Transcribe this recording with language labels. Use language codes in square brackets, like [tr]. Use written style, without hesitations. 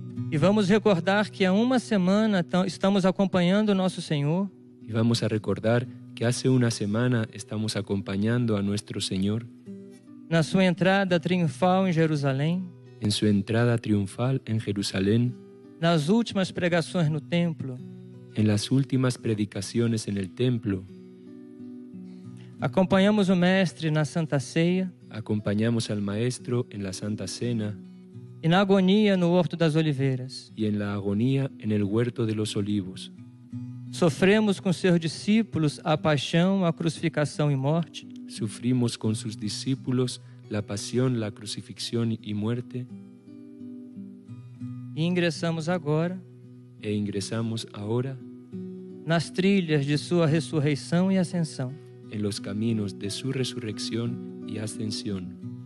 [pt] E vamos recordar que há uma semana estamos acompanhando nosso Senhor. [es] Y vamos a recordar que hace una semana estamos acompañando a nuestro Señor. [pt] Na sua entrada triunfal em Jerusalém, em sua entrada triunfal em Jerusalém, nas últimas pregações no templo, em [es] las últimas predicaciones en el templo, [pt] acompanhamos o mestre na Santa Ceia, acompanhamos [es] al maestro en la Santa Cena, [pt] e na agonia no Horto das Oliveiras, [es] y en la agonía en el huerto de los olivos. [pt] Sofremos com seus discípulos a paixão, a crucificação e morte. [es] Sufrimos con sus discípulos la pasión, la crucifixión y muerte. [pt] E ingressamos agora. [es] E ingresamos ahora. [pt] Nas trilhas de sua ressurreição e ascensão. [es] En los caminos de su resurrección y ascensión.